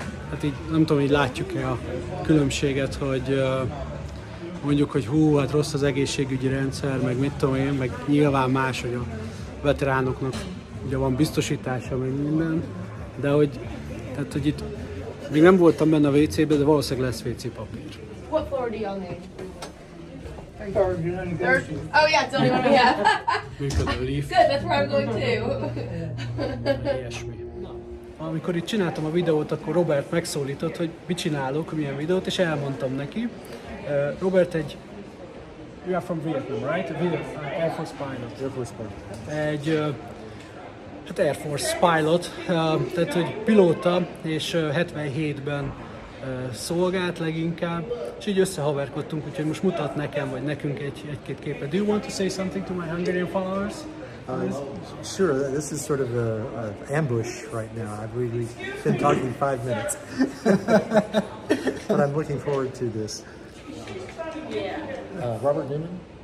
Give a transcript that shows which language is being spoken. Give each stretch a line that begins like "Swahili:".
Hungarian: Hát így nem tudom, így látjuk-e a különbséget, hogy mondjuk, hogy hú, hát rossz az egészségügyi rendszer, meg mit tudom én, meg nyilván más, hogy a veteránoknak ugye van biztosítása, meg minden. De hogy, tehát hogy itt még nem voltam benne a WC-ben, de valószínűleg lesz WC-papír.
English: What floor do y'all need? Oh yeah, it's the only one we have. Good, that's where I'm going too.
Hungarian: Ilyesmi. Amikor itt csináltam a videót, akkor Robert megszólított, hogy mit csinálok, milyen videót, és elmondtam neki. Robert egy...
English: You are from Vietnam, right? Air Force pilot. Air Force pilot.
Hungarian: Egy... Hát
English: Air Force pilot,
Hungarian: tehát hogy pilóta, és 77-ben szolgált leginkább, és így összehaverkodtunk, úgyhogy most mutat nekem, vagy nekünk egy-két képet.
English: Do you want to say something to my Hungarian followers? Sure, this is sort of an ambush right now. I've really been talking 5 minutes. But I'm looking forward to this. Yeah. Robert Newman?